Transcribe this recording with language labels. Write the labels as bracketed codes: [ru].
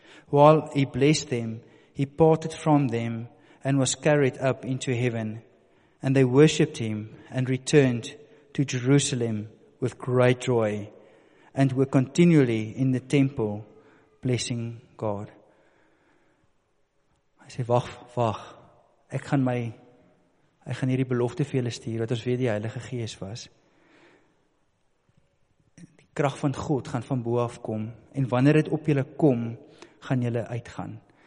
[en] While he blessed them, he parted from them and was carried up into heaven. And they worshipped him and returned to Jerusalem with great joy and were continually in the temple blessing God. [af] Hy sê, wag, ek gaan hierdie belofte vir julle stuur, dat ons weer die Heilige Gees was. Krag van God gaan van bo af kom, en wanneer dit op julle kom, gaan julle uitgaan.